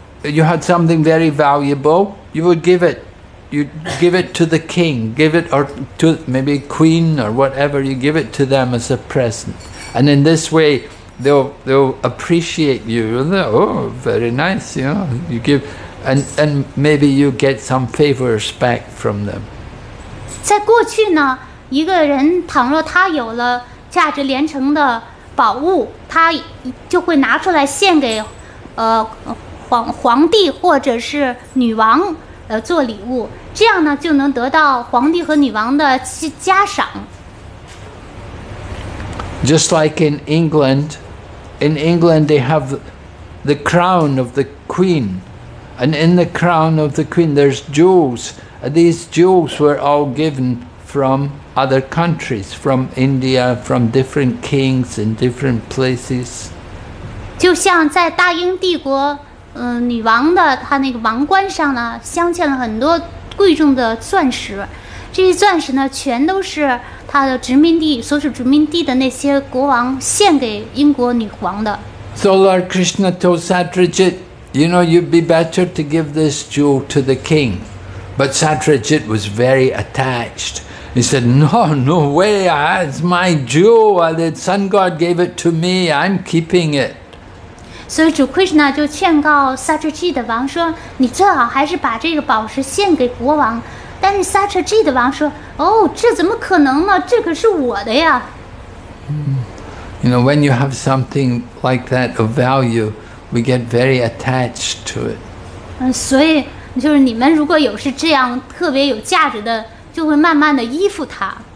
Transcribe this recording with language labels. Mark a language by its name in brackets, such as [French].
[English] You had something very valuable, you would give it. You give it to the king, give it or to maybe queen or whatever, you give it to them as a present. And in this way, they'll appreciate you. They'll, oh, very nice, you know. You give, and maybe you get some favors back from them. [Chinese] 在过去呢，一个人倘若他有了价值连城的宝物，他就会拿出来献给皇帝或者是女王。做礼物，这样呢就能得到皇帝和女王的加赏。 [English] Just like in England they have the crown of the queen, and in the crown of the queen there's jewels. These jewels were all given from other countries, from India, from different kings in different places. [Chinese] 就像在大英帝国。女王的她那个王冠上呢，镶嵌了很多贵重的钻石。这些钻石呢，全都是她的殖民地所属殖民地的那些国王献给英国女王的。 [English] So Lord Krishna told Satrajit, "You know, you'd be better to give this jewel to the king." But Satrajit was very attached. He said, "No, no way! It's my jewel. The sun god gave it to me. I'm keeping it." [Chinese] 所以主 Krishna 就劝告 Satrajit 王说，你最好还是把这个宝石献给国王。但是 Satrajit 王说，哦，这怎么可能呢？这可是我的呀。 [English] You know, when you have something like that of value, we get very attached to it. [Chinese] 所以就是你们如果有是这样特别有价值的，就会慢慢的依附它。